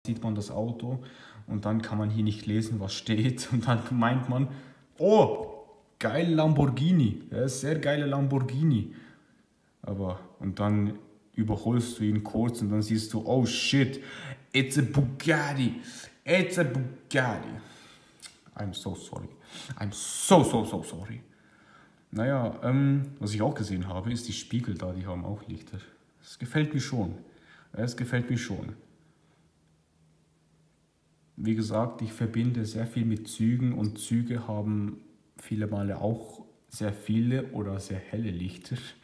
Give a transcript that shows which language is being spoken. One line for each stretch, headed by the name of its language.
German: sieht man das Auto und dann kann man hier nicht lesen, was steht. Und dann meint man, oh, geil Lamborghini, ja, sehr geile Lamborghini. Aber und dann überholst du ihn kurz und dann siehst du,
English: oh shit, it's a Bugatti,
German: it's a Bugatti.
English: I'm so sorry, I'm so, so, so sorry.
German: Naja, was ich auch gesehen habe, ist die Spiegel da, die haben auch Lichter. Es gefällt mir schon. Es gefällt mir schon. Wie gesagt, ich verbinde sehr viel mit Zügen und Züge haben viele Male auch sehr viele oder sehr helle Lichter.